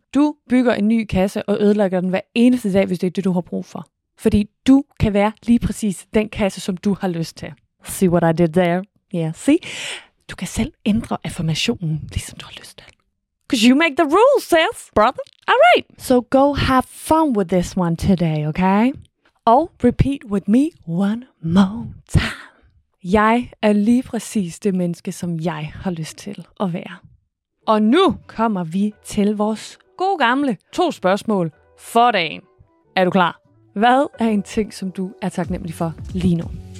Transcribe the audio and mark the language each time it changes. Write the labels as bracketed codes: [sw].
[da] Du bygger en ny kasse og ødelægger den hver eneste dag, hvis det er det, du har brug for. Fordi du kan være lige præcis den kasse, som du har lyst til. [en] See what I did there? Yeah, see? [da] Du kan selv ændre affirmationen, ligesom du har lyst til. [en] Because you make the rules, sis, brother. All right. So go have fun with this one today, okay? Og repeat with me one more time. [da] Jeg er lige præcis det menneske, som jeg har lyst til at være. Og nu kommer vi til vores gode gamle to spørgsmål for dagen. Er du klar? Hvad er en ting, som du er taknemmelig for lige nu?